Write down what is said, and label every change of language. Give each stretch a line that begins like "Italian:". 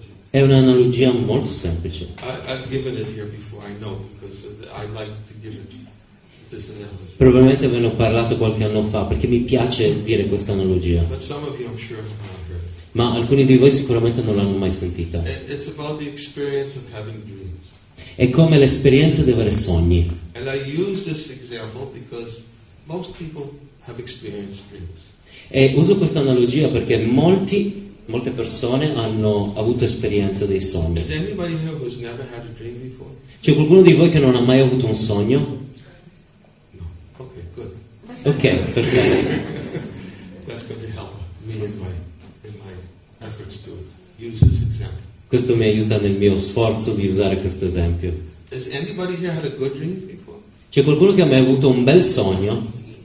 Italian: È un'analogia molto semplice.
English: I've given it here before, I know, because I like to give it this analogy.
Italian: Probabilmente ve ne ho parlato qualche anno fa, perché mi piace dire questa analogia.
English: But some of you I'm sure have not heard.
Italian: Ma alcuni di voi sicuramente non l'hanno mai sentita.
English: It's about the experience of having dreams.
Italian: è come l'esperienza di avere sogni.
English: And I use this example because most people have experienced dreams.
Italian: E uso questa analogia perché molte persone hanno avuto esperienza dei sogni.
English: Is anybody here who's never had a dream before?
Italian: C'è qualcuno di voi che non ha mai avuto un sogno?
English: No. Okay, good.
Italian: Okay, perfetto.
English: That's going to help me in my efforts to use this example.
Italian: Questo mi aiuta nel mio sforzo di usare questo esempio.
English: Has anybody here had a good dream before?
Italian: C'è qualcuno che ha mai avuto un bel sogno?